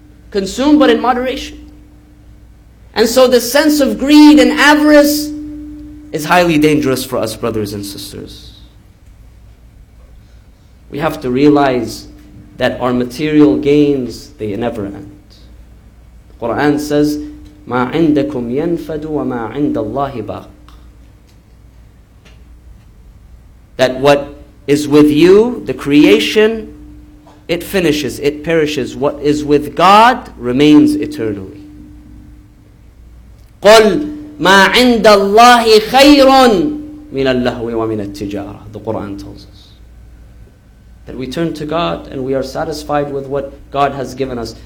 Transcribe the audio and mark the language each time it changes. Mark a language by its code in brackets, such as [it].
[en] Consume, but in moderation. And so the sense of greed and avarice is highly dangerous for us, brothers and sisters. We have to realize that our material gains, they never end. The Quran says, [ar] مَا عِنْدَكُمْ يَنْفَدُ وَمَا عِنْدَ اللَّهِ بَاقٍ. [en] That what is with you, the creation, it finishes, it perishes. What is with God remains eternally. [ar] قُلْ مَا عِنْدَ اللَّهِ خَيْرٌ مِنَ اللَّهْوِ وَمِنَ التِّجَارَةِ. [en] The Quran tells us that we turn to God and we are satisfied with what God has given us.